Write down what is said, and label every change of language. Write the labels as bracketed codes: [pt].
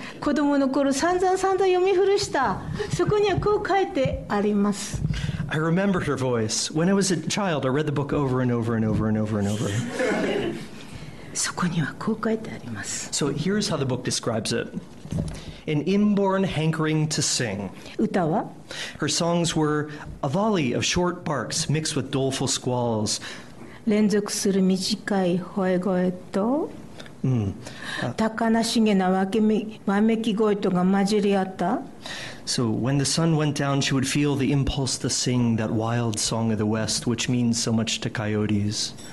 [ja] 子供の頃散々読み古した。そこにはこう書いてあります。 [en] I remember her voice. When I was a child, I read the book over and over and over and over and over. [ja] そこにはこう書いてあります。 [en] So here's how the book describes it. An inborn hankering to sing. [ja] 歌は? [en] Her songs were a volley of short barks mixed with doleful squalls. [ja] 連続する短い吠え声と高梨げなわめき声とが混じり合った。 [en] So when the sun went down, she would feel the impulse to sing that wild song of the west, which means so much to coyotes.